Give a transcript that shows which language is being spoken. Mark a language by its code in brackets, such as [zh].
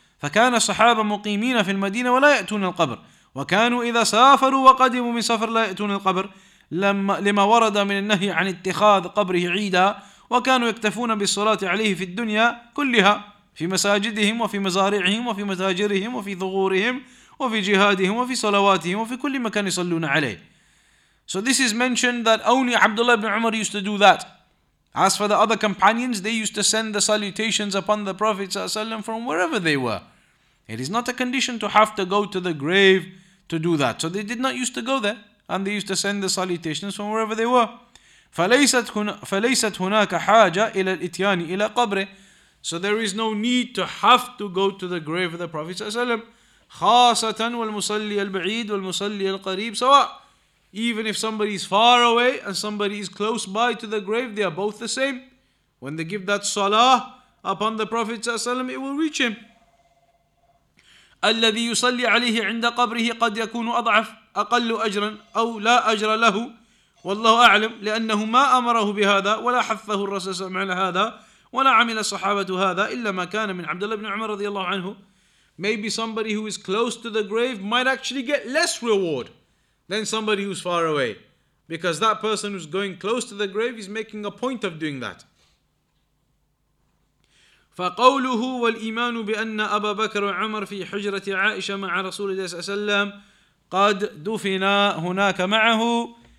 [ar] فكان الصحابة مقيمين في المدينة ولا يأتون القبر وكانوا إذا سافروا وقدموا من سفر لا يأتون القبر لما ورد من النهي عن اتخاذ قبره عيدا وكانوا يكتفون بالصلاة عليه في الدنيا كلها في مساجدهم وفي مزارعهم وفي متاجرهم وفي ظهورهم وفي جهادهم وفي صلواتهم وفي كل مكان يصلون عليه. [en] So this is mentioned that only Abdullah ibn Umar used to do that. As for the other companions, they used to send the salutations upon the Prophet ﷺ from wherever they were. It is not a condition to have to go to the grave to do that. So they did not used to go there, and they used to send the salutations from wherever they were. [ar] فليست هناك حاجة إلى الإتيان إلى قبره. [en] So there is no need to have to go to the grave of the Prophet ﷺ. [ar] خاصة والمصلي البعيد والمصلي القريب سواء. [en] Even if somebody is far away and somebody is close by to the grave, they are both the same. When they give that salah upon the Prophet ﷺ, it will reach him. [ar] الذي يصلي عليه عند قبره قد يكون أضعف أقل أجرا أو لا أجر له والله أعلم لأنه ما أمره بهذا ولا حثه الرسول صلى الله عليه وسلم على هذا ولا عمل الصحابة هذا إلا ما كان من عبد الله بن عمر رضي الله عنه. [en] Maybe somebody who is close to the grave might actually get less reward than somebody who's far away, because that person who's going close to the grave is making a point of doing that. [ar] فقوله والإيمان بأن أبا بكر وعمر في حجرة عائشة مع رسول الله صلى الله عليه وسلم قد دفنا هناك معه.